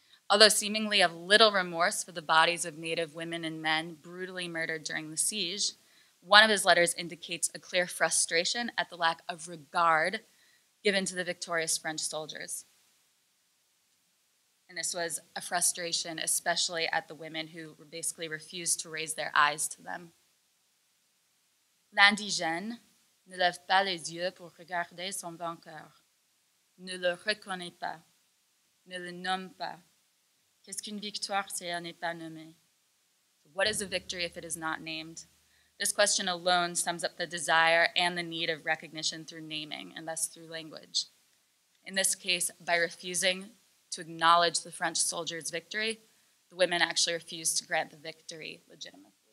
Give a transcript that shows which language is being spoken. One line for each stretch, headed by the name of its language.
English: Although seemingly of little remorse for the bodies of native women and men brutally murdered during the siege, one of his letters indicates a clear frustration at the lack of regard given to the victorious French soldiers. And this was a frustration, especially at the women who basically refused to raise their eyes to them.
French: L'indigène ne lève pas les yeux pour regarder son vainqueur, ne le reconnaît pas, ne le nomme pas. Qu'est-ce qu'une victoire si elle n'est pas nommée?
English: So what is a victory if it is not named? This question alone sums up the desire and the need of recognition through naming, and thus through language. In this case, by refusing to acknowledge the French soldiers' victory, the women actually refused to grant the victory legitimately.